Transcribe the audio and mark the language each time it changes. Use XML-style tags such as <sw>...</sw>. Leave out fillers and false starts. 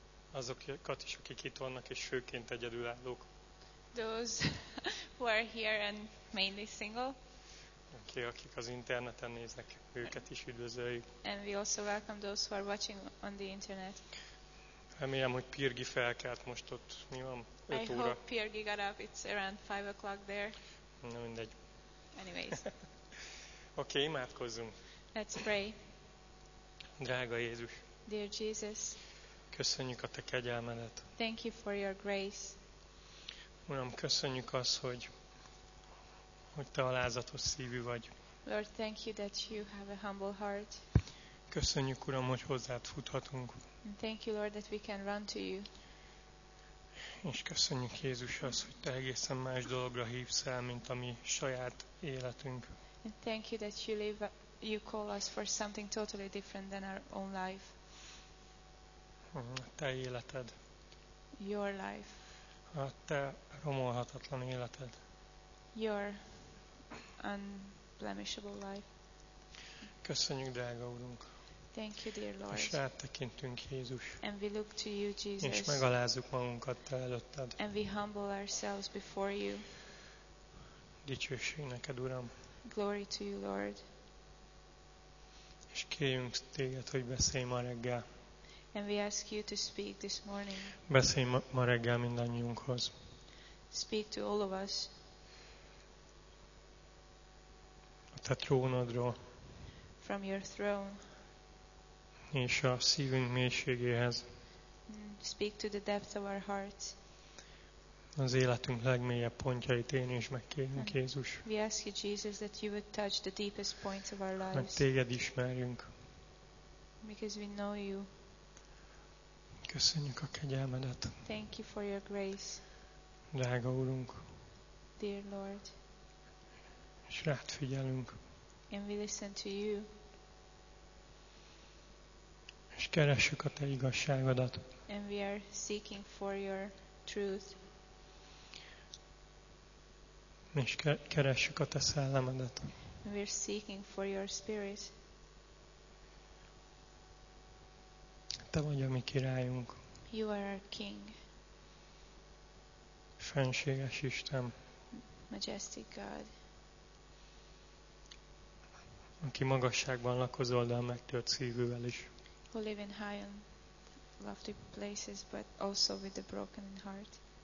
<hu>Azokat is, akik itt vannak, és főként egyedülállók.</hu> <en>Those who are here and mainly single.</en> <hu>Okay, akik az interneten néznek, őket is üdvözöljük.</hu> <en>And we also welcome those who are watching on the internet.</en> <hu>Remélem, hogy Pirgi felkelt most ott, mi van? 5 óra.</hu> <en>I hope Pirgi got up, it's around 5 o'clock there.</en> <hu>Na mindegy.</hu> <en>Anyways.</en> <hu>Okay, imádkozzunk.</hu> <en>Let's pray.</en> <hu>Drága Jézus.</hu> <en>Dear Jesus.</en> <hu>Köszönjük a te kegyelmedet.</hu> <en>Thank you for your grace.</en> <hu>Uram, köszönjük azt, hogy te alázatos szívű vagy.</hu> <en>Lord, thank you that you have a humble heart.</en> <hu>Köszönjük, Uram, hogy hozzád futhatunk.</hu> <en>And thank you, Lord, that we can run to you.</en> <hu>És köszönjük, Jézus, azt, hogy te egészen más dologra hívsz el, mint a mi saját életünk.</hu> <en>And thank you that you call us for something totally different than our own life.</en> <hu>A te életed.</hu> <en>Your life.</en> <hu>A te romolhatatlan életed.</hu> <en>Your unblemishable life.</en> <hu>Köszönjük, drága Urunk.</hu> <en>Thank you, dear Lord.</en> <hu>És rátekintünk, Jézus.</hu> <en>And we look to you, Jesus.</en> <hu>És megalázzuk magunkat te előtted.</hu> <en>And we humble ourselves before you.</en> <hu>Dicsőség neked, Uram.</hu> <en>Glory to you, Lord.</en> <hu>És kérjünk téged, hogy beszélj ma reggel.</hu> <en>And we ask you to speak this morning.</en> <hu>Beszélj ma reggel mindannyiunkhoz.</hu> <en>Speak to all of us.</en> <hu>A te trónodról.</hu> <en>From your throne.</en> <hu>És a szívünk mélységéhez.</hu> <en>Speak to the depth of our hearts.</en> <hu>Az életünk legmélyebb pontjait én is megkérünk, Jézus.</hu> <en>We ask you, Jesus, that you would touch the deepest points of our lives.</en> <hu>Mert téged ismerjünk.</hu> <en>Because we know you.</en> <hu>Köszönjük a kegyelmedet.</hu> <en>Thank you for your grace.</en> <hu>Drága Úrunk.</hu> <en>Dear Lord.</en> <hu>És rád figyelünk.</hu> <en>And we listen to you.</en> <hu>És keressük a te igazságodat.</hu> <en>And we are seeking for your truth.</en> <hu>És keressük a te szellemedet.</hu> <en>And we are seeking for your spirit.</en> <hu>Te vagy a mi királyunk.</hu> <en>You are our king.</en> <hu>Fenséges Isten.</hu> <en>Majestic God.</en> <hu>Aki magasságban lakozol, de a megtört szívűvel is.</hu> <en>Who live in high and lofty places, but also with a broken heart.</en>